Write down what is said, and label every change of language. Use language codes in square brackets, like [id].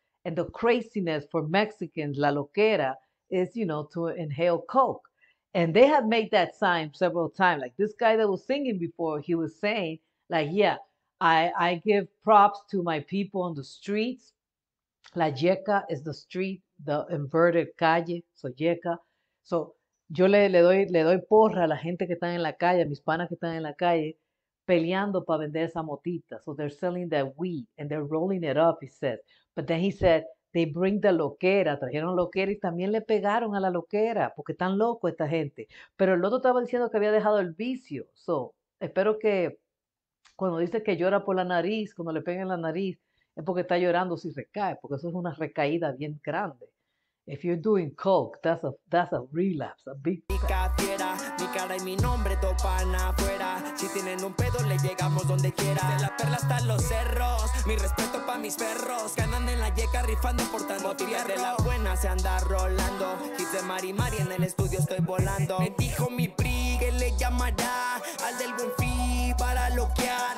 [en] And the craziness for Mexicans, la loquera, is, you know, to inhale coke. And they have made that sign several times. Like this guy that was singing before, he was saying, like, yeah, I give props to my people on the streets. La yeca is the street, the inverted calle, so yeca. [es] So yo le doy porra a la gente que está en la calle, a mis panas que están en la calle, peleando para vender esa motita. [en] So they're selling that weed and they're rolling it up, he said. But then he said, they bring the loquera, [es] trajeron loquera y también le pegaron a la loquera, porque están locos esta gente. Pero el otro estaba diciendo que había dejado el vicio. So espero que cuando dice que llora por la nariz, cuando le pegan la nariz, es porque está llorando si recae, porque eso es una recaída bien grande. [en] If you're doing coke, that's a relapse, a big [es] fiera, mi cara y mi nombre topan afuera. Si tienen un pedo, le llegamos donde quiera. De la perla hasta los cerros, mi respeto pa' mis perros. Que andan en la yeca rifando, portando tiras de la buena, se anda rolando. Hit de Mari Mari, en el estudio estoy volando. Me dijo mi pri que le llamará al del buen fin para loquear.